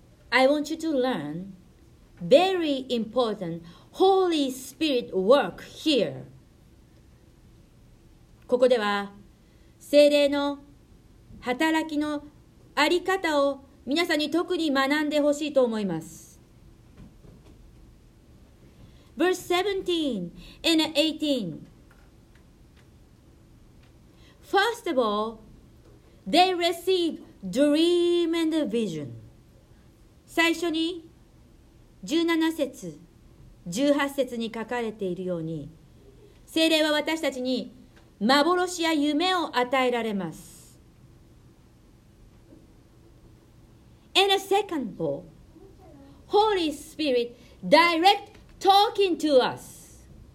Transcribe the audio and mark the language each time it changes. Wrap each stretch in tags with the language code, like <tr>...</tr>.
<en>I want you to learnVery important Holy Spirit work here.</en> <ja>ここでは聖霊の働きのあり方を皆さんに特に学んでほしいと思います。</ja> <en>Verse 17 and 18. First of all, they received dream and vision.</en> <ja>最初に 17節18節に書かれているように、聖霊は私たちに幻や夢を与えられます。</ja> <en>In a second ball, Holy Spirit direct talking to us。</en>